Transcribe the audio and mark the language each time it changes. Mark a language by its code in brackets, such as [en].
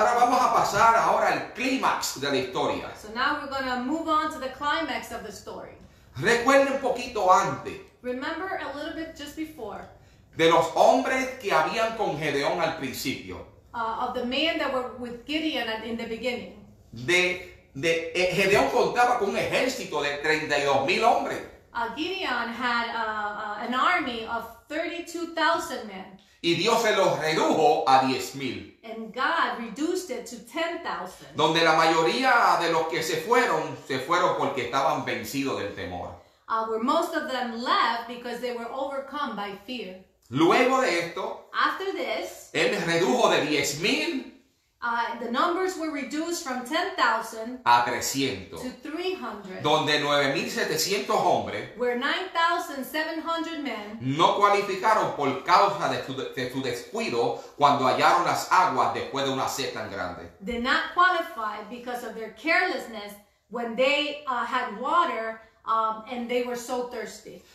[es] Ahora vamos a pasar ahora al clímax de la historia. [en] So now we're going to move on to the climax of the story. [es] Recuerde un poquito antes. [en] Remember a little bit just before. [es] De los hombres que habían con Gedeón al principio. [en] Of the men that were with Gideon in the beginning. [es] Gedeón contaba con un ejército de 32,000 hombres. [en] Gideon had an army of 32,000 men. [es] Y Dios se los redujo a 10,000. [en] And God reduced it to 10,000. [es] Donde la mayoría de los que se fueron porque estaban vencidos del temor. [en] Where most of them left because they were overcome by fear. [es] Luego de esto, [en] after this, [es] él redujo de 10,000. [en] The numbers were reduced from 10,000 [es] a 300. [en] To 300. [es] Donde 9,700 hombres, [en] where 9,700 men, [es] no cualificaron por causa de su descuido cuando hallaron las aguas después de una sed tan grande. [en] Did not qualify because of their carelessness when they had water and they were so thirsty.